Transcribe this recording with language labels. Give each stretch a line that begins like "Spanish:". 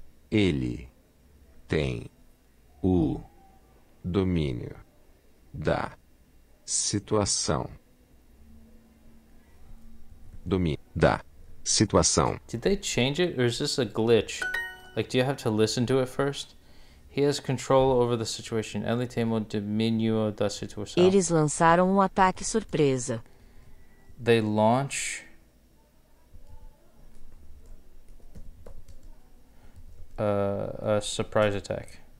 Portuguese: Ele tem o domínio da situação. Domínio da situação.
English: Did they change it or is this a glitch? Like, do you have to listen to it first? He has control over the situation.
Portuguese: Ele tem o domínio da situação. Eles lançaram um ataque surpresa.
English: They launch. A surprise attack.